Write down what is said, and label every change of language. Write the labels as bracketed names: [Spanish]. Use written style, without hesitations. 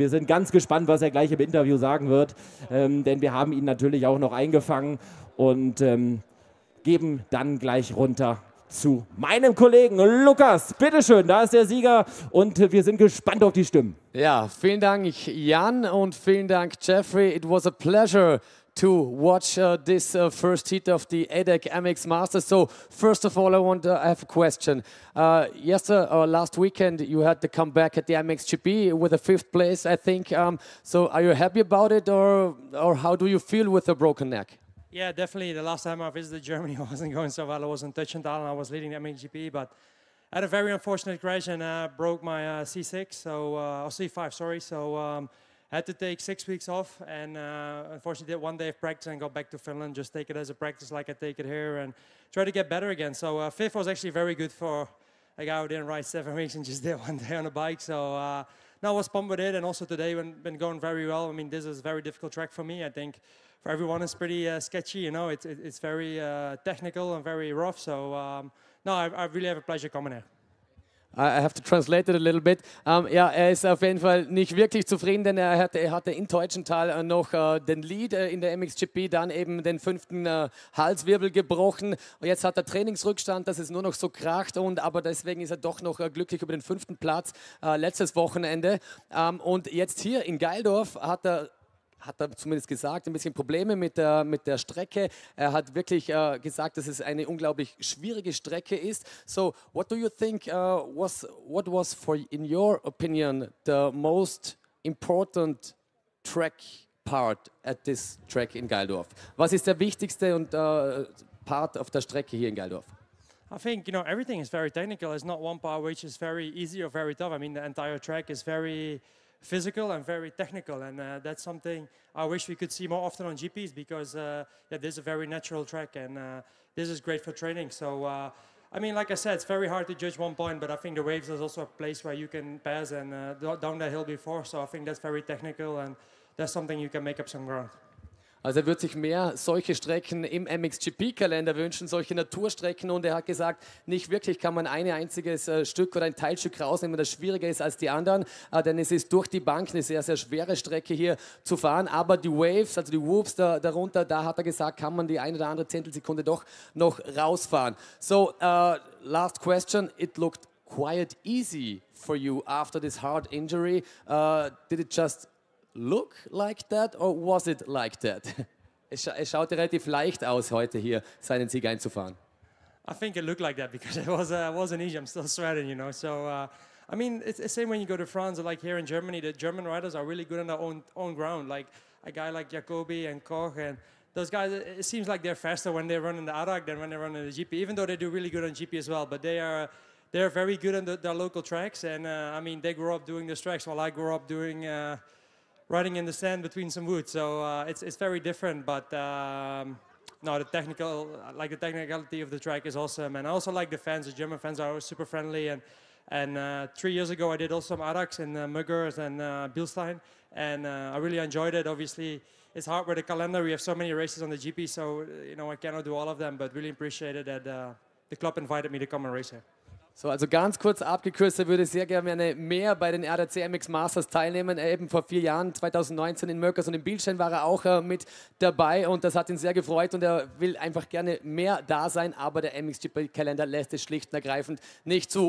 [German] Wir sind ganz gespannt, was er gleich im Interview sagen wird, denn wir haben ihn natürlich auch noch eingefangen und geben dann gleich runter zu meinem Kollegen Lukas. Bitte schön, da ist der Sieger und wir sind gespannt auf die Stimmen. Ja, vielen Dank Jan und vielen Dank Jeffrey. [English] It was a pleasure to watch this first heat of the ADAC MX Masters. So first of all, I have a question. Last weekend you had to come back at the MXGP with a fifth place, I think. So are you happy about it or how do you feel with a broken neck? Yeah, definitely. The last time I visited Germany, I wasn't going so well. I wasn't touching down. I was leading the MXGP, but I had a very unfortunate crash and broke my C5. I had to take 6 weeks off and unfortunately did one day of practice and got back to Finland, just take it as a practice like I take it here and try to get better again. So fifth was actually very good for a guy who didn't ride 7 weeks and just did one day on a bike. So now I was pumped with it and also today been going very well. I mean, this is a very difficult track for me. I think for everyone it's pretty sketchy, you know, it's very technical and very rough. So I really have a pleasure coming here. I have to translate it a little bit. [German] Ja, er ist auf jeden Fall nicht wirklich zufrieden, denn er hatte in Teutschenthal noch den Lead in der MXGP, dann eben den fünften Halswirbel gebrochen. Und jetzt hat er Trainingsrückstand, dass es nur noch so kracht, aber deswegen ist er doch noch glücklich über den fünften Platz letztes Wochenende. Und jetzt hier in Geildorf hat er zumindest gesagt, ein bisschen Probleme mit der Strecke. Er hat wirklich gesagt, dass es eine unglaublich schwierige Strecke ist. [English] So, what do you think was for in your opinion the most important track part at this track in Geildorf? [German] Was ist der wichtigste und Part auf der Strecke hier in Geildorf? [English] I think, you know, everything is very technical. There's not one part which is very easy or very tough. I mean, the entire track is very physical and very technical, and that's something I wish we could see more often on GPs, because this is a very natural track and this is great for training. So I mean, like I said, it's very hard to judge one point, but I think the waves is also a place where you can pass and down the hill before, so I think that's very technical and that's something you can make up some ground. [German] Also er wird sich mehr solche Strecken im MXGP-Kalender wünschen, solche Naturstrecken. Und er hat gesagt, nicht wirklich kann man ein einziges Stück oder ein Teilstück rausnehmen, das schwieriger ist als die anderen. Denn es ist durch die Bank eine sehr, sehr schwere Strecke hier zu fahren. Aber die Waves, also die Whoops darunter, da hat er gesagt, kann man die eine oder andere Zehntelsekunde doch noch rausfahren. [English] So, last question. It looked quite easy for you after this hard injury. Did it just look like that or was it like that? [German] Es schaut relativ leicht aus heute hier seinen Sieg einzufahren. [English] I think it looked like that because it wasn't easy. I'm still sweating, you know. So I mean, it's the same when you go to France, like here in Germany, the German riders are really good on their own ground. Like a guy like Jacobi and Koch and those guys, it seems like they're faster when they run in the ADAC than when they run in the GP, even though they do really good on GP as well. But they're very good on their local tracks. And I mean, they grew up doing these tracks while I grew up doing riding in the sand between some wood, so it's very different, but no, the technical, like the technicality of the track is awesome. And I also like the fans, the German fans are always super friendly. And 3 years ago, I did also some Arax in Muggers and Bilstein. And I really enjoyed it. Obviously, it's hard with the calendar. We have so many races on the GP, so you know I cannot do all of them, but really appreciate it that the club invited me to come and race here. [German] So, also ganz kurz abgekürzt, er würde sehr gerne mehr bei den RDC MX Masters teilnehmen. Eben vor 4 Jahren, 2019 in Möckers und in Bilstein war er auch mit dabei und das hat ihn sehr gefreut und er will einfach gerne mehr da sein, aber der MXGP-Kalender lässt es schlicht und ergreifend nicht zu.